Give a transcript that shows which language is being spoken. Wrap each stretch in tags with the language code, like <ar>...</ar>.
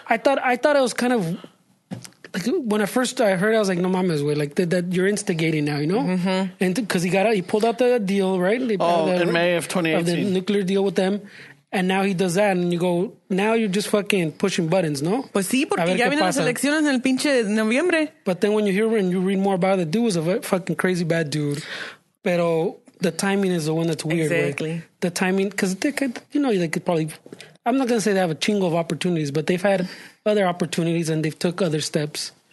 <en>I thought it was kind of. Like when I first I heard, I was like,</en> <es>"No mames,</es> <en>way!" Like that you're instigating now, you know? Mm-hmm. And because he pulled out the deal, right? In May of 2018, the nuclear deal with them, and now he does that, and you go, now you're just fucking pushing buttons, no?</en> <es>Pues sí, porque ya vienen las elecciones en el pinche noviembre.</es> <en>But then when you hear and you read more about the dude, was a fucking crazy bad dude. Pero the timing is the one that's weird. Exactly. Right? The timing, because they could, you know, they could probably. I'm not gonna say they have a chingo of opportunities, but they've had. Other opportunities and they've took other steps.</en>